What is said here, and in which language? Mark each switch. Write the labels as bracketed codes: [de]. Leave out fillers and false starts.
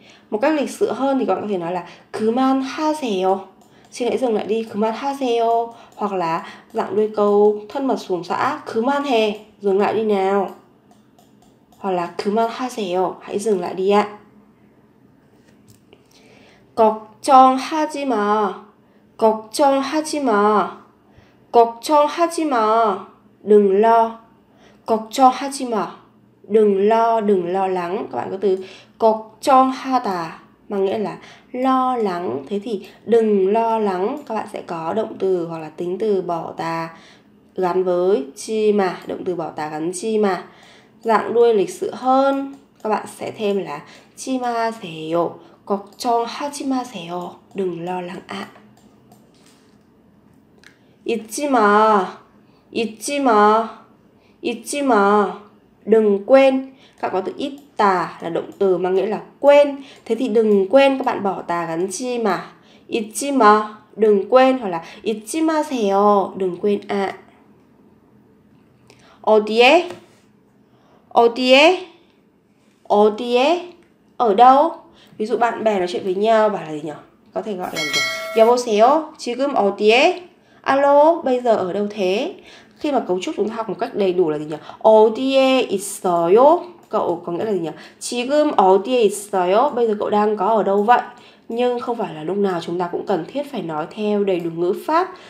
[vi] Một cách lịch sự hơn thì các bạn có thể nói là [ko] 그만하세요. [vi] Xin hãy dừng lại đi, [ko] 그만하세요. [vi] Hoặc là dạng đuôi câu thân mật xuống xã, [ko] 그만해, [vi] dừng lại đi nào. Hoặc là [ko] 그만하세요, [vi] hãy dừng lại đi ạ. [ko] 걱정하지마, 걱정하지마, 걱정하지마, [vi] đừng lo. [ko] 걱정하지마, [vi] đừng lo, đừng lo lắng. Các bạn có từ 걱정하다 mà nghĩa là lo lắng, thế thì đừng lo lắng, các bạn sẽ có động từ hoặc là tính từ bỏ tà gắn với chi mà, động từ bỏ tà gắn chi mà. Dạng đuôi lịch sự hơn các bạn sẽ thêm là [ko] 치마세요, 걱정하지마세요, [vi] đừng lo lắng ạ. [ko] 잊지마, 잊지마, 잊지마, [vi] đừng quên. Các bạn có từ ít tà là động từ mà nghĩa là quên, thế thì đừng quên, các bạn bỏ tà gắn chi mà. [ko] 잊지마, [vi] đừng quên, hoặc là [ko] 잊지마세요, [vi] đừng quên ạ. [ko] 어디에, 어디에, 어디에, [vi] ở đâu. Ví dụ bạn bè nói chuyện với nhau bảo là gì nhỉ? Có thể gọi là gì? [ko] 여보세요? 지금 어디에? [vi] Alo, bây giờ ở đâu thế? Khi mà cấu trúc chúng ta học một cách đầy đủ là gì nhỉ? [ko] 어디에 있어요? [vi] Cậu có nghĩa là gì nhỉ? [ko] 지금 어디에 있어요? [vi] Bây giờ cậu đang có ở đâu vậy? Nhưng không phải là lúc nào chúng ta cũng cần thiết phải nói theo đầy đủ ngữ pháp.